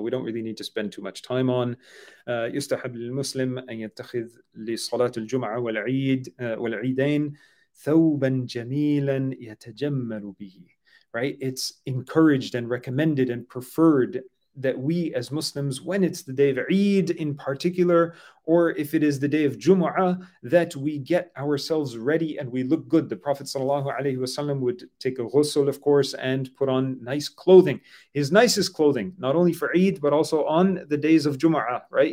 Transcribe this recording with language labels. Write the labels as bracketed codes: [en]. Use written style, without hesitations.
[en] We don't really need to spend too much time on. [ar] يستحب للمسلم أن يتخذ لصلاة الجمعة والعيد والعيدين ثوبا جميلا يتجمل به. [en] Right? It's encouraged and recommended and preferred that we as Muslims, when it's the day of Eid in particular, or if it is the day of Jumu'ah, that we get ourselves ready and we look good. The Prophet ﷺ would take a ghusl, of course, and put on nice clothing. His nicest clothing, not only for Eid, but also on the days of Jumu'ah, right?